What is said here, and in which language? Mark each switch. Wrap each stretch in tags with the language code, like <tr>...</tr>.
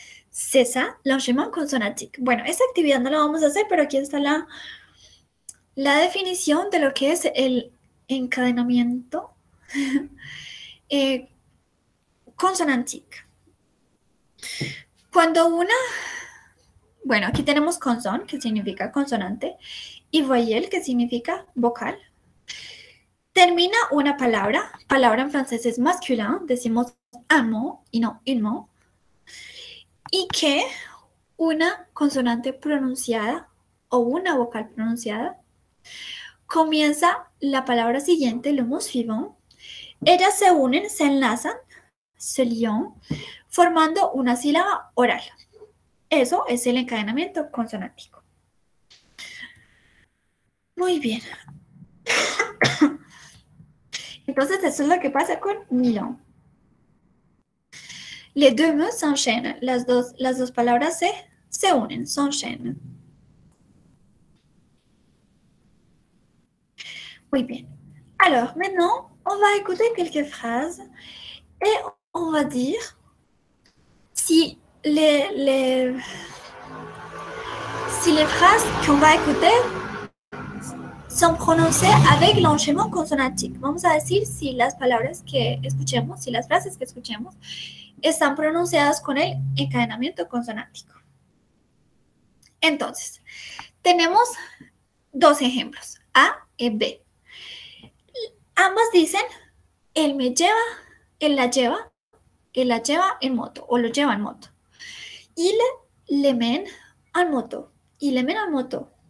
<fr>C'est ça, l'enchaînement consonantique.</fr> <es>Bueno, esta actividad no la vamos a hacer, pero aquí está la definición de lo que es el encadenamiento consonantique. Cuando una... Bueno, aquí tenemos consonne, que significa consonante, y voyelle, que significa vocal. Termina una palabra. Palabra en francés es masculin. Decimos un mot y no un mot. Y que una consonante pronunciada o una vocal pronunciada comienza la palabra siguiente,</es> <fr>le mot suivant.</fr> <es>Ellas se unen, se enlazan, se lian, formando una sílaba oral. Eso es el encadenamiento consonántico. Muy bien. Entonces, eso es lo que pasa con Milán.</es> <fr>Les deux mots s'enchaînent.</fr> <es>Las dos palabras se unen,</es> <fr>s'enchaînent.</fr> <es>Muy bien.</es> <fr>Alors, maintenant, on va écouter quelques phrases et on va dire si les phrases qu'on va écouter son prononcées avec l'enchaînement consonantique.</fr> <es>Vamos a decir si las palabras que escuchemos, si las frases que escuchemos, están pronunciadas con el encadenamiento consonántico. Entonces, tenemos dos ejemplos, A y B. Ambas dicen, él me lleva, él la lleva en moto, o lo lleva en moto.</es> <fr>Il le mène en moto, il le mène en moto.</fr>